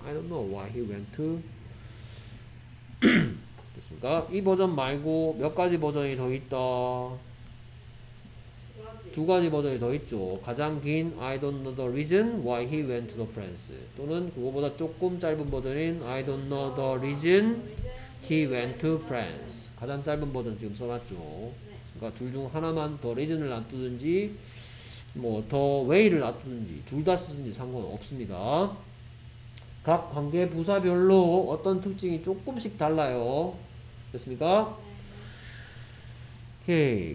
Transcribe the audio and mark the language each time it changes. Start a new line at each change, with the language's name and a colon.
English: I don't know why he went to
Korean: 됐습니까? 이 버전 말고 몇 가지 버전이 더 있다? 두 가지 버전이 더 있죠. 가장 긴
English: I don't know the reason why he went to the France
Korean: 또는 그거보다 조금 짧은 버전인
English: I don't know the reason he went to France.
Korean: 가장 짧은 버전 지금 써놨죠. 그러니까 둘 중 하나만 더 reason을 놔두든지 뭐 더 way를 놔두든지 둘 다 쓰든지 상관없습니다. 각 관계 부사별로 어떤 특징이 조금씩 달라요. 됐습니까? 오케이.